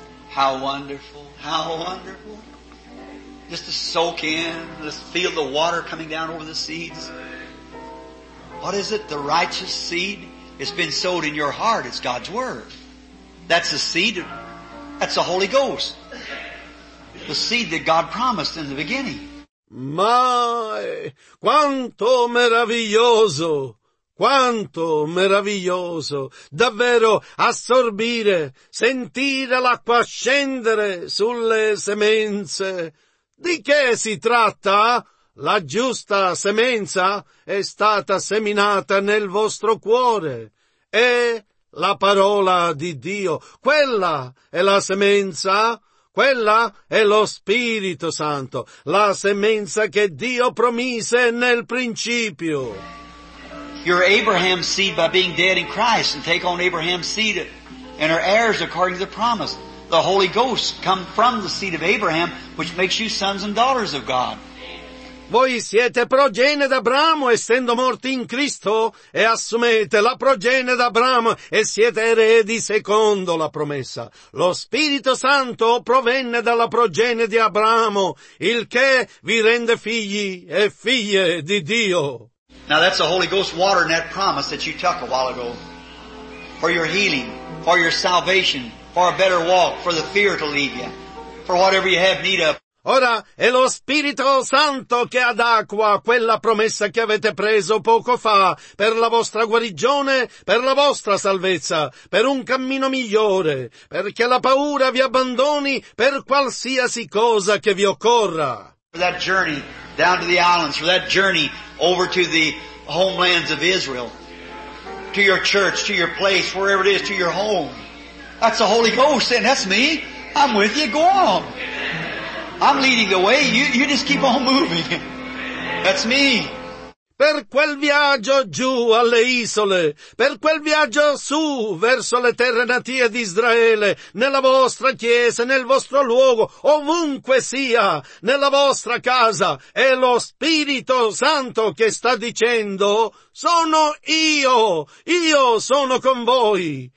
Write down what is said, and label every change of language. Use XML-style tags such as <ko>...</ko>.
<en>How wonderful, how wonderful. Just to soak in, to feel the water coming down over the seeds. What is it? The righteous seed? It's been sowed in your heart. It's God's Word. That's the seed. That's the Holy Ghost. The seed that God promised in the beginning.</en> <it>My, quanto meraviglioso! Quanto meraviglioso! Davvero assorbire, sentire l'acqua scendere sulle semenze. Di che si tratta? La giusta semenza è stata seminata nel vostro cuore. È la parola di Dio. Quella è la semenza. Quella è lo Spirito Santo, la semenza che Dio promise nel principio.</it> <en>You're Abraham's seed by being dead in Christ, and take on Abraham's seed and her heirs according to the promise. The Holy Ghost come from the seed of Abraham, which makes you sons and daughters of God.</en> <it>Voi siete progenie d'Abramo, essendo morti in Cristo, e assumete la progenie d'Abramo, e siete eredi secondo la promessa. Lo Spirito Santo provenne dalla progenie di Abramo, il che vi rende figli e figlie di Dio.</it> <en>Now that's the Holy Ghost water in that promise that you took a while ago. For your healing, for your salvation, for a better walk, for the fear to leave you, for whatever you have need of.</en> <it>Ora è lo Spirito Santo che adacqua quella promessa che avete preso poco fa per la vostra guarigione, per la vostra salvezza, per un cammino migliore, perché la paura vi abbandoni per qualsiasi cosa che vi occorra.</it> <en>For that journey down to the islands, for that journey over to the homelands of Israel, to your church, to your place, wherever it is, to your home. That's the Holy Ghost saying, that's me, I'm with you, go on. I'm leading the way, you just keep on moving. That's me.</en> <it>Per quel viaggio giù alle isole, per quel viaggio su verso le terre natie di Israele, nella vostra chiesa, nel vostro luogo, ovunque sia, nella vostra casa, è lo Spirito Santo che sta dicendo, sono io sono con voi.</it>